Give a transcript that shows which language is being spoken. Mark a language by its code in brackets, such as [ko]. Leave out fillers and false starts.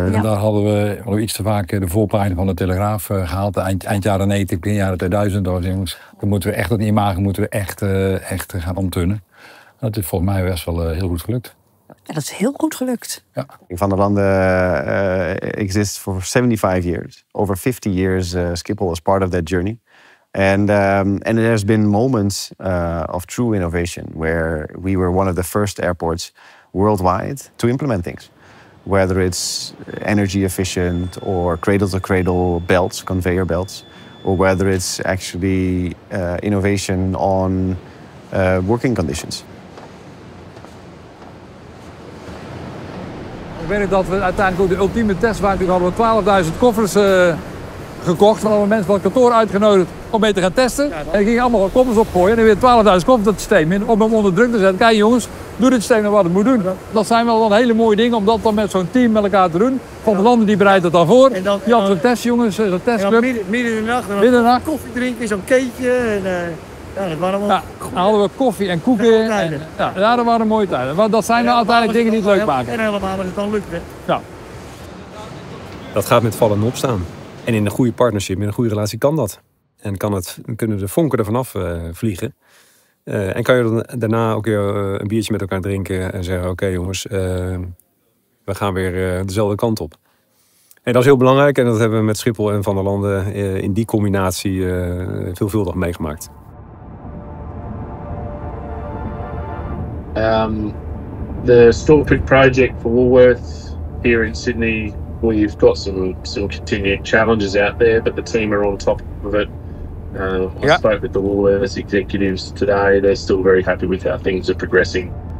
[nl] En daar hadden we iets te vaak de voorpagina van de Telegraaf gehaald. Eind jaren 90, begin jaren 2000. Door, jongens, dan moeten we echt dat imago moeten we echt gaan omtunnen. En dat is volgens mij best wel heel goed gelukt. Ja, dat is heel goed gelukt. Ja. [en] Van der Landen exists for 75 years. Over 50 years, Schiphol is part of that journey. And there's been moments of true innovation where we were one of the first airports worldwide to implement things. Whether it's energy efficient or cradle-to-cradle belts, conveyor belts, or whether it's actually innovation on working conditions. [nl] Ik weet dat we uiteindelijk ook de ultieme test waren. Toen hadden we 12.000 koffers gekocht van alle mensen van het kantoor uitgenodigd om mee te gaan testen. Ja, en gingen allemaal koffers opgooien en dan weer 12.000 koffers dat systeem in om hem onder druk te zetten. Kijk jongens. Doe dit systeem wat het moet doen. Dat zijn wel dan hele mooie dingen om dat dan met zo'n team met elkaar te doen. Van de Landen die bereidt het dan voor. Je had zo'n testjongens, zo'n testclub. Midden in de nacht. Koffie drinken, zo'n keetje. Dan hadden we koffie en koeken. Ja, dat waren mooie tijden. Maar dat zijn uiteindelijk dingen die het leuk maken. En helemaal als het dan lukt. Ja. Dat gaat met vallen en opstaan. En in een goede partnership, in een goede relatie kan dat. En kunnen de vonken er vanaf vliegen. En kan je dan daarna ook weer een biertje met elkaar drinken en zeggen, oké jongens, we gaan weer dezelfde kant op. En dat is heel belangrijk en dat hebben we met Schiphol en Van der Landen in die combinatie veelvuldig meegemaakt. [en] The Stortford project for Woolworths here in Sydney, we've got some continued challenges out there, but the team are on top of it. I spoke with the Woolworths executives today. They're still very happy with how things are progressing.